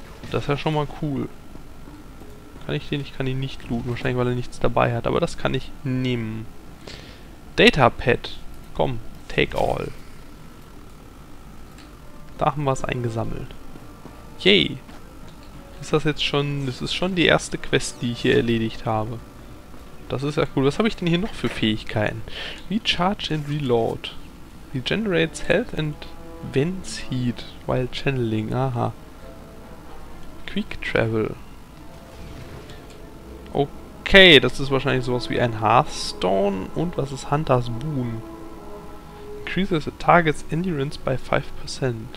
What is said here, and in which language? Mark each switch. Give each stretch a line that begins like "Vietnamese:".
German: Das ist ja schon mal cool. Kann ich den? Ich kann ihn nicht looten. Wahrscheinlich, weil er nichts dabei hat. Aber das kann ich nehmen. Datapad. Komm, take all. Da haben wir es eingesammelt. Yay. Ist das jetzt schon... Das ist schon die erste Quest, die ich hier erledigt habe. Das ist ja cool. Was habe ich denn hier noch für Fähigkeiten?
English: Recharge and Reload. Regenerates Health and Vents Heat while Channeling.
German: Aha. Quick Travel. Okay, das ist wahrscheinlich sowas wie ein Hearthstone. Und was ist Hunter's Boon?
English: Increases the target's endurance by 5%.